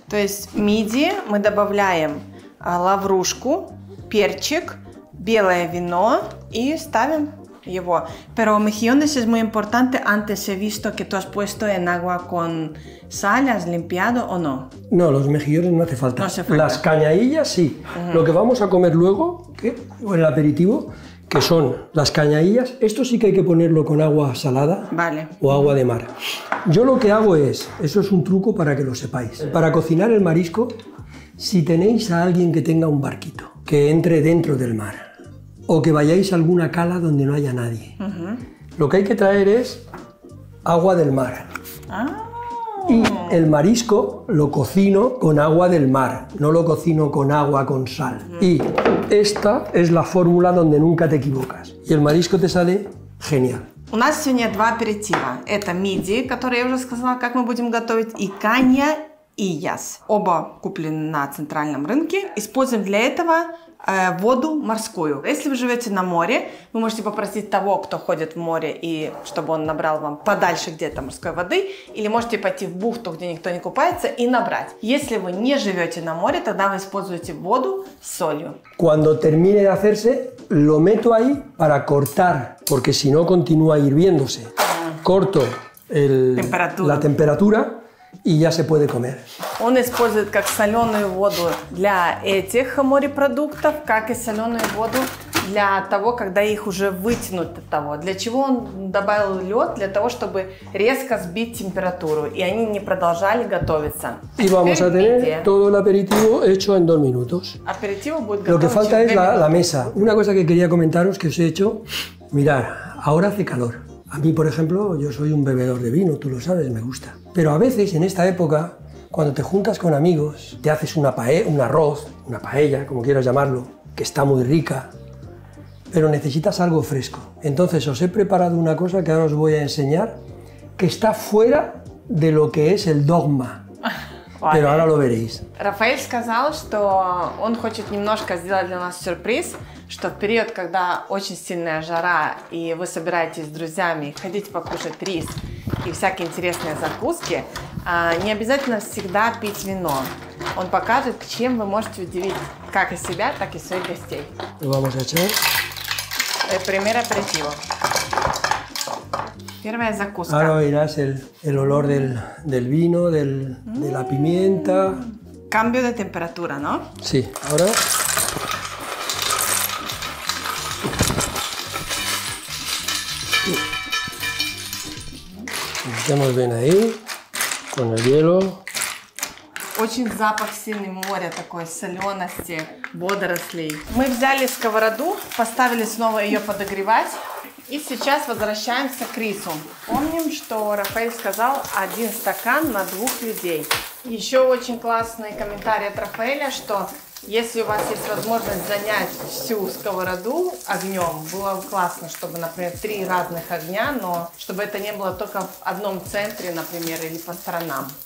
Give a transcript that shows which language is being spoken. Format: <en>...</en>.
<es>Entonces,</es> <ru>миди мы добавляем лаврушку, перчик, белое вино и ставим его.</ru> <es>Pero mejillones es muy importante. Antes he visto que tú has puesto en agua con sal, ¿has limpiado o no? No, los mejillones no hace falta. No hace falta. Las cañadillas sí. Uh-huh. Lo que vamos a comer luego, ¿qué? El aperitivo, que son las cañadillas, esto sí que hay que ponerlo con agua salada, vale, o agua de mar. Yo lo que hago es, eso es un truco para que lo sepáis, para cocinar el marisco, si tenéis a alguien que tenga un barquito que entre dentro del mar, o que vayáis a alguna cala donde no haya nadie, lo que hay que traer es agua del mar. Ah. Y el marisco lo cocino con agua del mar, no lo cocino con agua con sal. Y esta es la fórmula donde nunca te equivocas. Y el marisco te sale genial.</es> <ru>У нас сегодня два аперитива. Это мидии, которые я уже сказала, как мы будем готовить, и канья и яс. Оба куплены на центральном рынке. Используем для этого воду морскую. Если вы живете на море, вы можете попросить того, кто ходит в море, и чтобы он набрал вам подальше где-то морской воды, или можете пойти в бухту, где никто не купается, и набрать. Если вы не живете на море, тогда вы используете воду с солью.</ru> <es>Cuando termine de hacerse, lo meto ahí para cortar, porque si no continúa hirviéndose. Corto la temperatura y ya se puede comer.</es> <ru>Он использует как соленую воду для этих морепродуктов, как и соленую воду для того, когда их уже вытянуть от того. Для чего он добавил лед? Для того, чтобы резко сбить температуру, и они не продолжали готовиться.</ru> <es>И vamos a tener todo el aperitivo hecho en dos minutos.</es> <ru>Aperitivo будет готов.</ru> <es>Lo que falta es la mesa. Una cosa que quería comentaros que os he hecho, mirad, ahora hace calor. A mí, por ejemplo, yo soy un bebedor de vino, tú lo sabes, me gusta. Pero a veces, en esta época, cuando te juntas con amigos, te haces un arroz, una paella, como quieras llamarlo, que está muy rica, pero necesitas algo fresco. Entonces, os he preparado una cosa que ahora os voy a enseñar, que está fuera de lo que es el dogma. Pero ahora lo veréis.</es> <ru>Rafael сказал, что он хочет немножко сделать для нас сюрприз, что в период, когда очень сильная жара, и вы собираетесь с друзьями ходить покушать рис и всякие интересные закуски, не обязательно всегда пить вино. Он покажет, чем вы можете удивить как и себя, так и своих гостей.</ru> <es>Vamos a echar. Primer aperitivo.</es> <ru>Первая закуска.</ru> <es>Ahora oirás el olor del vino, de la pimienta. Cambio de temperatura, ¿no? Sí, ahora. Echamos bien ahí, con el hielo.</es> <ru>Очень запах сильный моря такой, солености, водорослей. Мы взяли сковороду, поставили снова ее подогревать. И сейчас возвращаемся к рису. Помним, что Рафаэль сказал один стакан на двух людей. Еще очень классный комментарий от Рафаэля, что если у вас есть возможность занять всю сковороду огнем, было бы классно, чтобы, например, три разных огня, но чтобы это не было только в одном центре, например, или по сторонам.</ru>